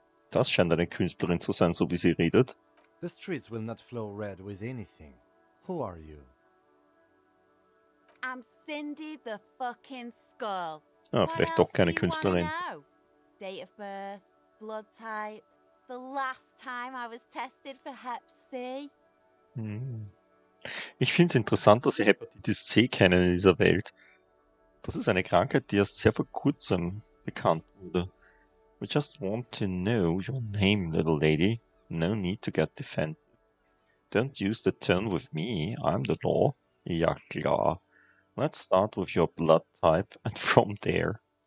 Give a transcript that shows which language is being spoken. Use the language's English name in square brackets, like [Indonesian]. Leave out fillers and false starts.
[German] Das scheint eine Künstlerin zu sein, so wie sie redet. [English] The streets will not flow red with anything. Who are you? I'm Cindy the fucking Skull. [German] Ah, vielleicht doch keine Künstlerin. [English] Date of birth, blood type. The last time I was tested for Hep C. [German] Ich finde es interessant, dass sie Hepatitis C kennen in dieser Welt. Das ist eine Krankheit, die erst sehr vor kurzem bekannt wurde. [English] We just want to know your name, little lady. No need to get defensive. Don't use the tone with me, I'm the law. [German] Ja klar. [English] Let's start with your blood type and from there.